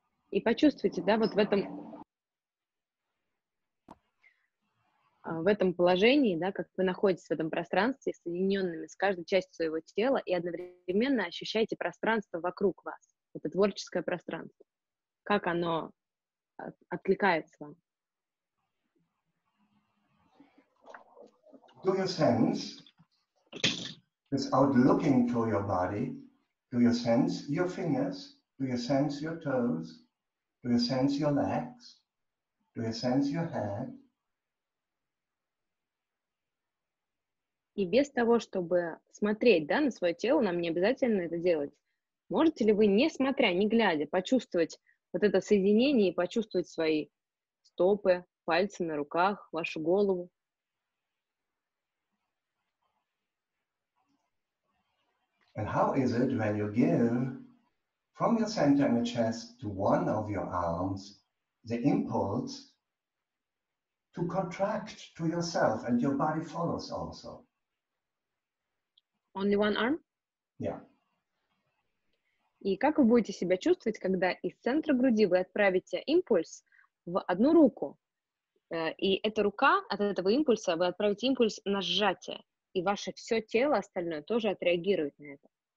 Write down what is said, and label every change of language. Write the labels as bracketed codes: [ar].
[ru] И почувствуйте, да, вот в этом положении, да, как вы находитесь в этом пространстве, соединенными с каждой частью своего тела, и одновременно ощущаете пространство вокруг вас, это творческое пространство. Как оно откликается вам? [en] Do you sense, without looking to your body, do you sense your fingers, do you sense your toes? Do you sense your legs? Do you sense your head? [ru] И без того, чтобы смотреть, да, на свое тело, нам не обязательно это делать. Можете ли вы, не смотря, не глядя, почувствовать вот это соединение и почувствовать свои стопы, пальцы на руках, вашу голову? [en] And how is it when you give from your center in the chest to one of your arms, the impulse to contract to yourself, and your body follows also. Only one arm? Yeah. [ru] И как вы будете себя чувствовать, когда из центра груди вы отправите импульс в одну руку, и эта рука от этого импульса, вы отправите импульс на сжатие, и ваше все тело остальное тоже отреагирует на это.